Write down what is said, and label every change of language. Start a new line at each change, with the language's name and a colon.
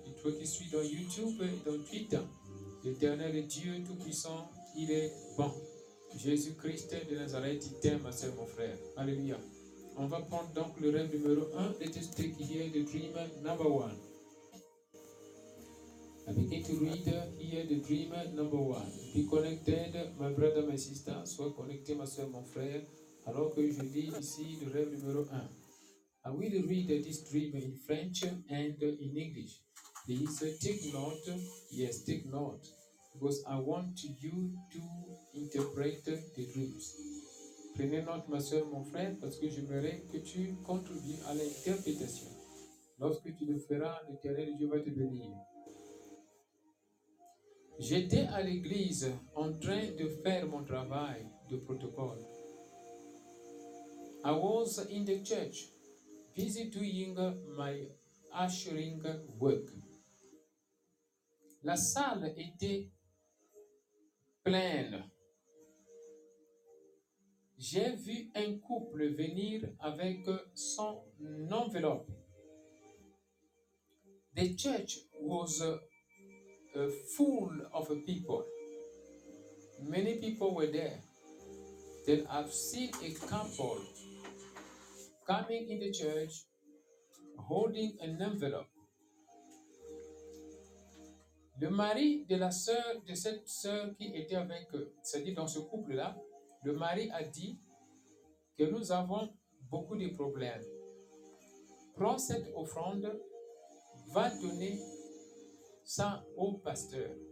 French: Et toi qui suis dans YouTube et dans Twitter, l'Éternel est Dieu Tout-Puissant, il est bon. Jésus-Christ de Nazareth, il t'aime, ma soeur, mon frère. Alléluia. On va prendre donc le rêve numéro 1, le texte qui vient de
English: Dream Number 1. I begin to read here the dream number 1. Be connected, my brother, my sister.
French: Sois connecté, ma soeur, mon frère. Alors que je lis ici le rêve numéro 1.
English: I will read this dream in French and in English. Please take note. Yes, take note. Because I want you to interpret the dreams.
French: Prenez note, ma soeur, mon frère, parce que j'aimerais que tu contribues à l'interprétation. Lorsque tu le feras, l'Éternel Dieu va te bénir. J'étais à l'église en train de faire mon travail de protocole.
English: I was in the church busy doing my ushering work.
French: La salle était pleine. J'ai vu un couple venir avec son enveloppe.
English: The church was full of people. Many people were there. Then I've seen a couple coming in the church holding an envelope.
French: Le mari de la sœur, de cette sœur qui était avec eux, c'est-à-dire dans ce couple-là, le mari a dit que nous avons beaucoup de problèmes. Prends cette offrande, va donner ça au pasteur.